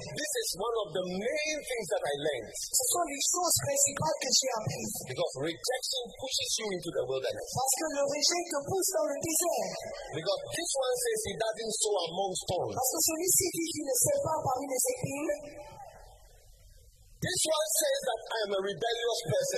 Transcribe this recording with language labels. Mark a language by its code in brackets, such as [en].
[en] This is one of the main things that I learned. [fr] Ce sont les choses principales que j'ai apprises. [en] Because rejection pushes you into the wilderness. [fr] Parce que le rejet te pousse dans le désert. [en] Because this one says he doesn't sow amongst thorns. [fr] Parce que celui-ci dit qu'il ne sait pas parmi les épines. [en] This one says that I am a rebellious person.